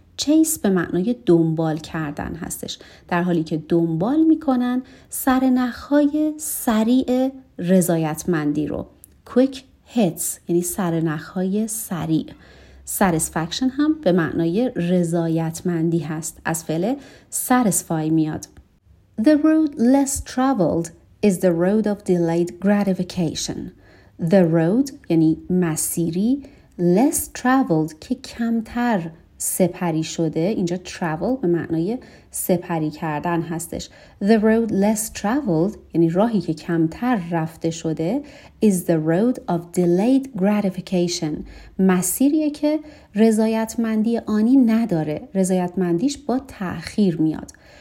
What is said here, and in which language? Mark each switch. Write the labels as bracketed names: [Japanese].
[Persian] چیس به معنای دنبال کردن هستش، در حالی که دنبال میکنن سرنخهای سریع رضایتمندی رو. quick hits یعنی سرنخهای سریع. satisfaction هم به معنای رضایتمندی هست، از فعل satisfy میاد. [English] The road less traveled is the road of delayed gratification. [Persian] The road یعنی مسیری، less traveled که کمتر سپری شده، اینجا travel به معنای سپری کردن هستش. [English] The road less traveled [Persian] یعنی راهی که کمتر رفته شده [English] is the road of delayed gratification، [Persian] مسیریه که رضایتمندی آنی نداره، رضایتمندیش با تأخیر میاد.